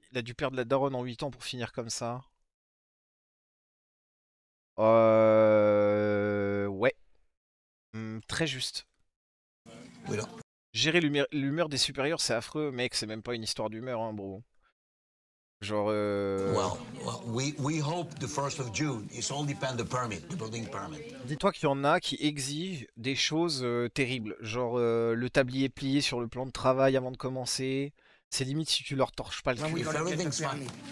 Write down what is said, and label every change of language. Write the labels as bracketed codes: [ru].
[fr] Il a dû perdre la daronne en 8 ans pour finir comme ça. Ouais. Très juste. Oui, là. Gérer l'humeur des supérieurs, c'est affreux, mec. C'est même pas une histoire d'humeur, hein, bro. Genre. [en] We hope the 1st of June. It's all depend the permit, the building permit. [fr] Dis-toi qu'il y en a qui exigent des choses terribles. Genre le tablier plié sur le plan de travail avant de commencer. C'est limite si tu leur torches pas le cul.